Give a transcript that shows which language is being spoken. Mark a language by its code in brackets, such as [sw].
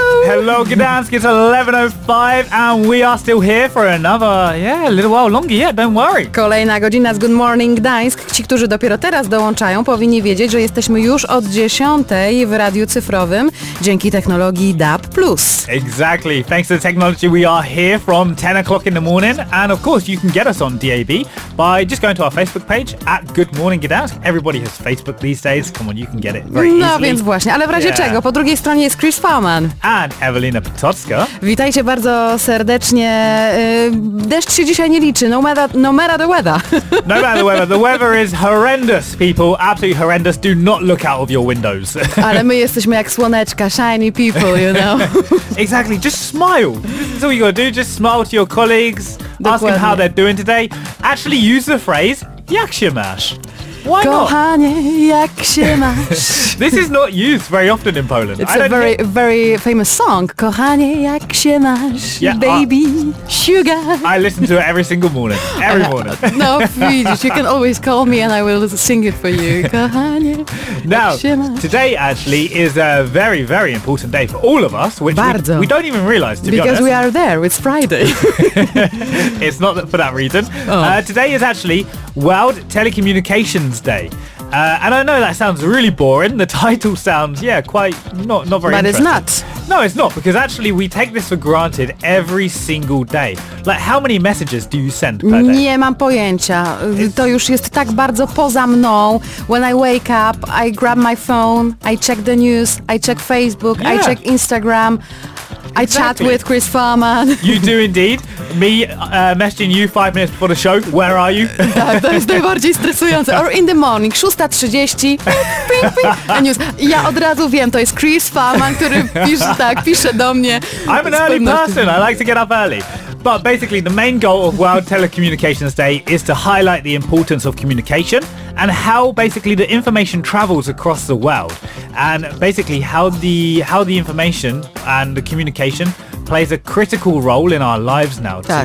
[en] Hello, Gdansk, it's 11:05 and we are still here for another, yeah, a little while longer, yeah, don't worry. [pl] Kolejna godzina z Good Morning Gdańsk. Ci, którzy dopiero teraz dołączają, powinni wiedzieć, że jesteśmy już od 10:00 w radiu cyfrowym dzięki technologii DAB+. [en] Exactly, thanks to the technology we are here from 10 o'clock in the morning and of course you can get us on DAB by just going to our Facebook page at Good Morning Gdańsk. Everybody has Facebook these days, come on, you can get it very easily. [pl] No więc właśnie, ale w razie czego, po drugiej stronie jest Chris Farman. [en] And Ewelina Potocka. [pl] Witajcie bardzo serdecznie. Deszcz się dzisiaj nie liczy, [en] no matter the weather. No matter the weather. The weather is horrendous, people. Absolutely horrendous. Do not look out of your windows. [pl] Ale my jesteśmy jak słoneczka, [en] shiny people, you know. Exactly. Just smile. This is all you gotta do. Just smile to your colleagues. [pl] Dokładnie. [en] Ask them how they're doing today. Actually use the phrase, [pl] jak się masz? [en] Why [pl] Kochanie, [en] not? [pl] Jak się masz? [en] This is not used very often in Poland. It's a very, very famous song. [pl] Kochanie, jak się masz? [en] Yeah, baby, sugar. I listen to it every single morning. Every morning. [pl] No, widzisz, [en] you can always call me and I will sing it for you. [pl] Kochanie, [en] now, [pl] jak się masz? [en] Today actually is a very, very important day for all of us, which we don't even realize, to be honest. Because we are there, it's Friday. It's not for that reason. Oh. Today is actually World Telecommunications Day. And I know that sounds really boring. The title sounds, yeah, quite not very but interesting. But it's not. No, it's not, because actually we take this for granted every single day. Like, how many messages do you send per day? [pl] Nie mam pojęcia. To już jest tak bardzo poza mną. [en] When I wake up, I grab my phone, I check the news, I check Facebook, yeah. I check Instagram. Exactly. I chat with Chris Farman. You do indeed. Me messaging you 5 minutes before the show. Where are you? [pl] Tak, to jest najbardziej stresujące. [en] Or in the morning, 6:30. Ping, ping. A news. [pl] Ja od razu wiem, to jest Chris Farman, który pisze, tak, pisze do mnie. [en] I'm an early person. I like to get up early. But basically, the main goal of World Telecommunications Day is to highlight the importance of communication and how basically the information travels across the world. And basically how the information and the communication plays a critical role in our lives now to,